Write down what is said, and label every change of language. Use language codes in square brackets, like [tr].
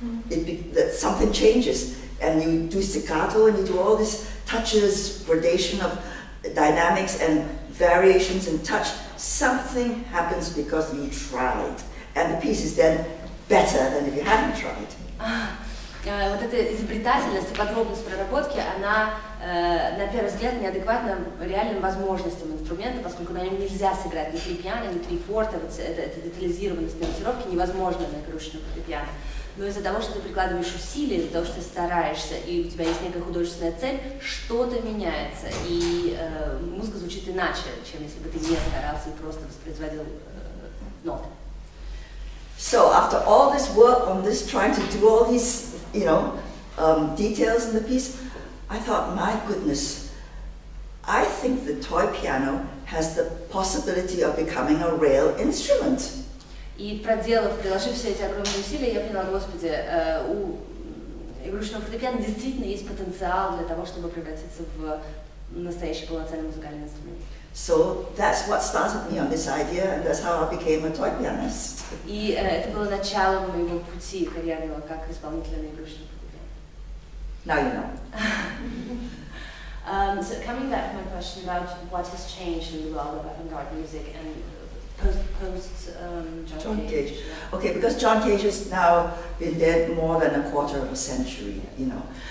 [en] That something changes. And you do staccato and you do all these touches, gradation of dynamics and variations in touch. Something happens because you tried. And the piece is then better than if you hadn't tried. [ru] Вот эта изобретательность и подробность проработки, она на первый взгляд неадекватна реальным возможностям инструмента, поскольку на нем нельзя сыграть ни три пиано, ни три форте, вот эта детализированность нотировки невозможна на игрушечном фортепиано. Но из-за того, что ты прикладываешь усилия, из-за того, что ты стараешься, и у тебя есть некая художественная цель, что-то меняется, и музыка звучит иначе, чем если бы ты не старался и просто воспроизводил ноты. [en] So after all this work on this, trying to do all these, you know, details in the piece, I thought, my goodness, I think the toy piano has the possibility of becoming a real instrument. [ru] И проделав, приложив все эти огромные усилия, я поняла, Господи, у игрушечного фортепиано действительно есть потенциал для того, чтобы превратиться в настоящий полноценный музыкальный инструмент. [en] So that's what started me on this idea, and that's how I became a toy pianist. [ru] И это было началом моего пути карьерного как исполнителя на игрушечном фортепиано. [en] Now you know. So coming back to my question about what has changed in the world of avant-garde music and post John Cage. Okay, because John Cage has now been dead more than a quarter of a century, you know.